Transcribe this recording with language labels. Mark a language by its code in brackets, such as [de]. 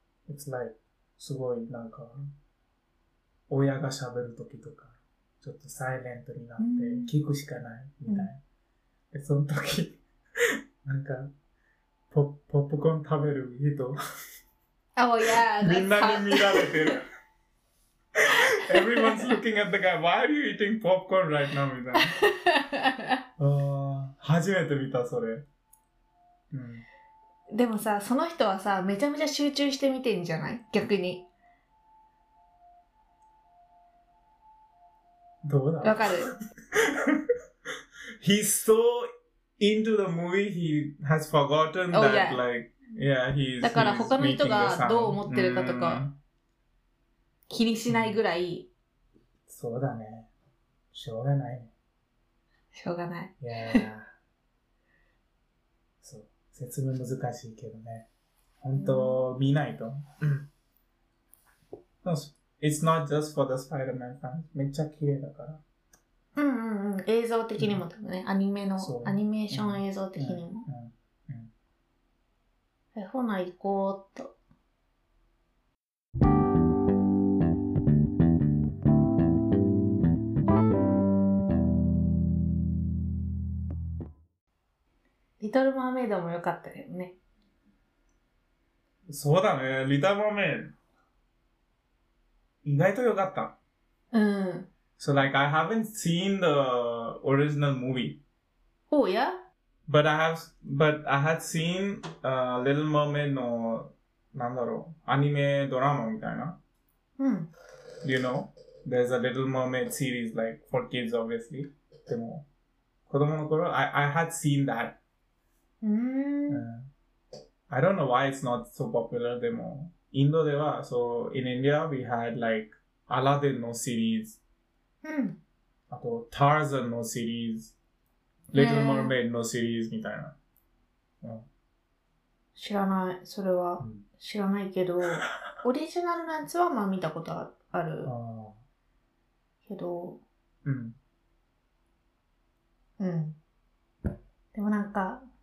[en] It's like, [ja] すごいなんか、親が喋るときとか、ちょっとサイレントになって、聞くしかないみたい。で、そのとき、なんか、ポップコーン食べる人。 [en] Oh, yeah, that's hot. [ja] みんなに見られてる。 [en] Everyone's looking at the guy, why are you eating popcorn right now? [ja] みたいな。初めて見た、それ。でもさ、その人はさ、めちゃめちゃ集中して見てんじゃない？逆に。どうだ？わかる。 [en] He's so into the movie, he has forgotten that, like, yeah, he's. [ja] だから他の人がどう思ってるかとか、気にしないぐらい。そうだね。しょうがない。しょうがない。説明難しいけどね。本当、見ないと。 [en] It's not just for the Spider-Man fans. [ja] めっちゃ綺麗だから。映像的にも多分ね。アニメの、アニメーション映像的にも。ほな、行こうと。リトルマーメイドも良かったよね。そうだね、リトルマーメイド。意外と良かった。 [en] So like, I haven't seen the original movie. Oh, yeah? But I had seen Little Mermaid [ja] の、なんだろう、アニメドラマみたいな。 [en] You know, there's a Little Mermaid series, like, for kids, obviously. [ja] でも、子供の頃、 [en] I had seen that. I don't know why it's not so popular, [ja] でも、インドでは、 [en] so in India, we had like, Aladdin no series. [ja] あと、 [en] Tarzan no series. [ja] リトル・マーメイドのシリーズみたいな、知らない、それは知らないけど、うん、オリジナルのやつはまあ見たことあるけど、うん、うん、でもなんか、